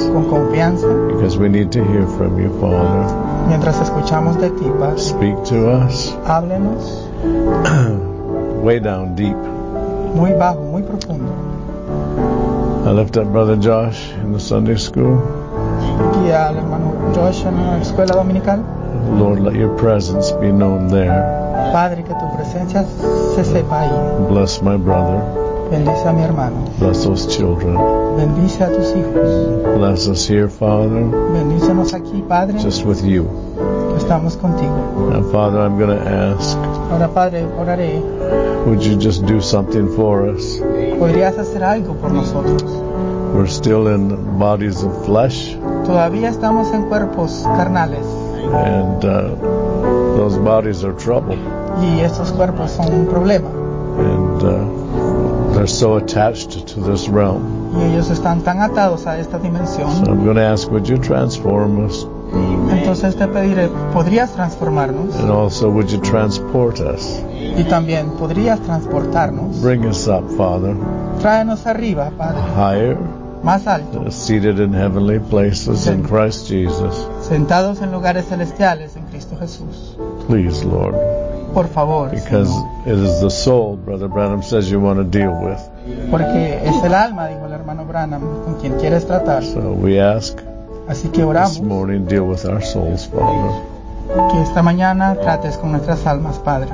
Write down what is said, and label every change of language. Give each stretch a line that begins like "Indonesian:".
Spanish: Con confianza.
English: Because we need to hear from you, Father.
Spanish: Mientras escuchamos de ti, Padre.
English: Speak to us.
Spanish: Háblenos.
English: Way down deep.
Spanish: Muy bajo, muy profundo.
English: I left up Brother Josh in the Sunday school.
Spanish: Y al hermano Josh en la escuela dominical.
English: Lord, let your presence be known there.
Spanish: Padre, que tu presencia se sepa ahí.
English: Bless my brother.
Spanish: Bendice a mi hermano.
English: Bless those children.
Spanish: Bendice a tus hijos.
English: Bless us here, Father.
Spanish: Bendícenos aquí, Padre.
English: Just with you.
Spanish: Estamos contigo.
English: And Father, I'm going to ask.
Spanish: Ahora, Padre, oraré.
English: Would you just do something for us?
Spanish: ¿Podrías hacer algo por nosotros?
English: We're still in bodies of flesh.
Spanish: Todavía estamos en cuerpos carnales.
English: And those bodies are trouble.
Spanish: Y estos cuerpos son un problema.
English: And they're so attached to this realm.
Spanish: Y ellos están tan atados a esta dimensión.
English: So I'm going to ask, would you transform us?
Spanish: Entonces te pediré, ¿podrías transformarnos?
English: And also, would you transport us?
Spanish: Y también, ¿podrías transportarnos?
English: Bring us up, Father.
Spanish: Tráenos arriba, Padre.
English: Higher.
Spanish: Más alto.
English: Seated in heavenly places in Christ Jesus.
Spanish: Sentados en lugares celestiales en Cristo Jesús.
English: Please, Lord.
Spanish: Por favor.
English: Because it is the soul, Brother Branham says, you want to deal with.
Spanish: Porque es el alma, dijo el hermano Branham, con quien quieres tratar.
English: So we ask.
Spanish: Así que oramos.
English: This morning, deal with our souls, Father.
Spanish: Que esta mañana trates con nuestras almas, Padre.